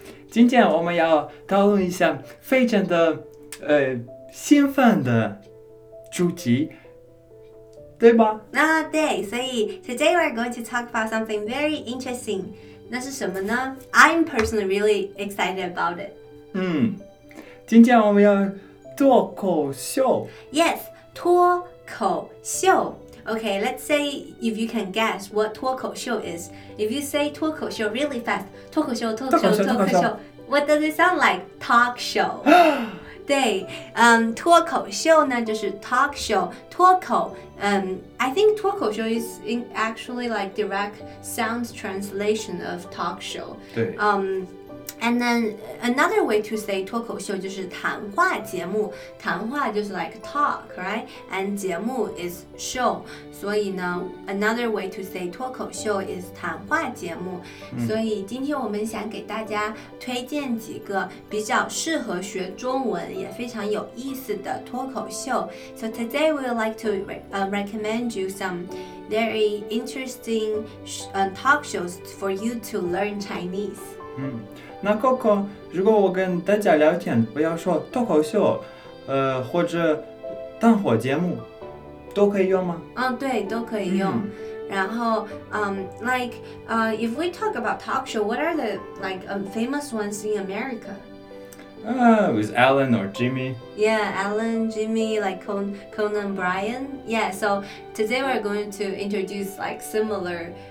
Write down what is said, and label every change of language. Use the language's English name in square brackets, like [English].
[Chinese] 今天我们要讨论一下非常的兴奋的主题。对吧？那对，所以 [English] today we're going to talk about something very interesting. [Chinese] 那是什么呢？ [English] I'm personally really excited about it. [Chinese] 今天我们要脱口秀。 [English] Yes, [Chinese] 脱口秀。 [English] Okay, let's say if you can guess what 脱口秀 is. If you say 脱口秀 really fast, 脱口秀，脱口秀，脱口秀。What does it sound like? Talk show. [Chinese] 对，脱口秀呢就是 [English] talk show， 脱口，I think 脱口秀 is in actually like direct sound translation of talk show。 [Chinese] 对。 [English] And then another way to say 脱口秀 [Chinese] 就是谈话节目，谈话就是 [English] like talk, right? And 节目 is show， [Chinese] 所以呢 [English] another way to say 脱口秀 is 谈话节目。 [Chinese] 所以今天我们想给大家推荐几个比较适合学中文也非常有意思的脱口秀。 [English] So today we would like to recommend you some very interesting talk shows for you to learn Chinese. [Chinese] 那 Coco， 如果我跟大家聊天，不要说脱口秀，或者谈话节目，都可以用吗？对，都可以用。然后， [English] if we talk about talk show, what are the like famous ones in America? With Ellen or Jimmy. Yeah, Ellen, Jimmy, like Conan O'Brien. Yeah, so today we're going to introduce like similar.